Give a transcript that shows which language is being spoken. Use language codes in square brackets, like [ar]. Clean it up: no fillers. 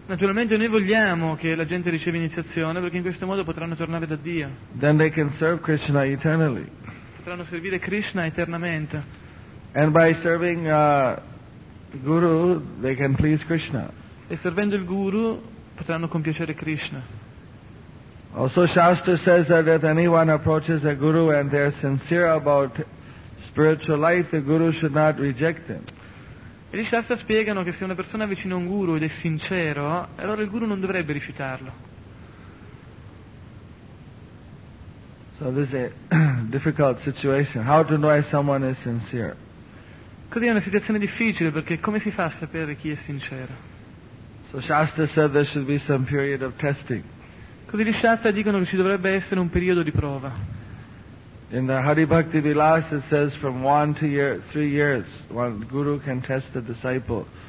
[it] Naturalmente noi vogliamo che la gente riceva iniziazione perché in questo modo potranno tornare da Dio. [en] Then they can serve Krishna eternally. [it] Potranno servire Krishna eternamente. [en] And by serving Guru they can please Krishna. [it] E servendo il Guru potranno compiacere Krishna. [en] Also Shastra says that if anyone approaches a Guru and they are sincere about spiritual life, the Guru should not reject them. [it] E gli Shastra spiegano che se una persona è vicino a un Guru ed è sincero, allora il Guru non dovrebbe rifiutarlo. [en] So this is a difficult situation. How to know if someone is sincere? [it] Così è una situazione difficile, perché come si fa a sapere chi è sincero? [en] So Shastra said there should be some period of testing. [it] Così gli Shastra dicono che ci dovrebbe essere un periodo di prova. [en] In the Hari Bhakti Vilas it says from 1 to 3 years one guru can test the disciple.